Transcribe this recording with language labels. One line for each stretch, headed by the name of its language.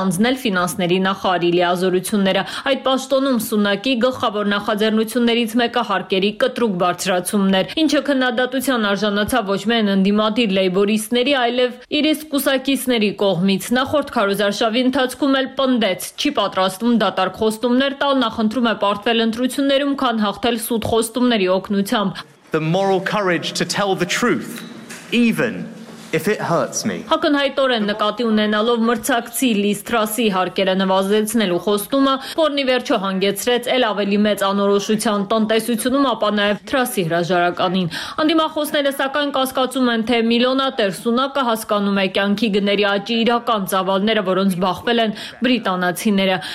Armenian: առանձնել ֆինանսների նախարարի լիազորությունները։ Այդ պաշտոնում Սունակի գլխավոր նախաձեռնություններից մեկը հարկերի կտրուկ բարձրացումներ, ինչը քննադատության արժանացավ ոչ միայն ընդդիմադիր լեյբորիստների, այլև իր սկսակիցների կողմից։ Նախորդ քարոզարշավի ընթացքում էլ պնդեց, չի պատրաստվում դատարկ խոստումներ տալ, նախընտրում է պարտվել ընտրություններում, քան հաղթել սուտ խոստումների օգնությամբ։
English: The moral courage to tell the truth, even if it hurts me.
Armenian: Հակնհայտորեն նկատի ունենալով մրցակցի Լիստրասի հարկերը նվազեցնելու խոստումը, որն ի վերջո հանգեցրեց էլ ավելի մեծ անորոշության տնտեսությունում, ապա նաև Թրասի հրաժարականին։ Անդիմախոսները սակայն կասկածում են, թե միլիոնատեր Սունակը հասկանում է կյանքի գների աճի իրական ծավալները, որոնց բախվել են բրիտանացիները։